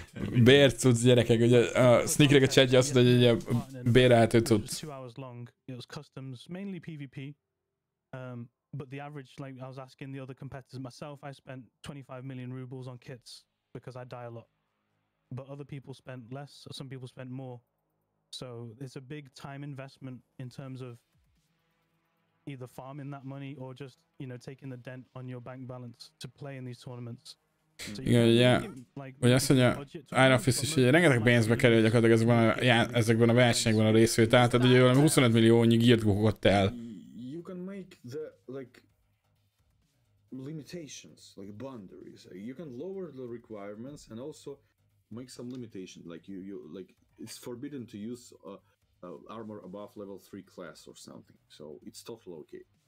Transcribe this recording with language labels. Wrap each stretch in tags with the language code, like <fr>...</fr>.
<hu>Bér cucc gyerekek, ugye a sneakerek a chatja azt mondja, hogy ugye bérelhető cucc.</hu> <en>Two hours long, it was customs, mainly PvP. But the average, like I was asking the other competitors, myself, I spent 25 million rubles on kits because I die a lot. But other people spent less, or some people spent more. So it's a big time investment in terms of either farming that money or just, you know, taking the dent on your bank balance to play in these tournaments.</en> <hu>Igen, ugye, vagy azt mondja, IronFist is, hogy rengeteg pénzbe kerül gyakorlatilag ezekben a versenyekben a részvétel, tehát ugye valami 25 milliónyi gírt gugott el.</hu> <en>You can make the, like, limitations, like boundaries. You can lower the requirements and also make some limitations, like you, like, it's forbidden to use armor above level 3 class or something, so it's tough low-key.</en>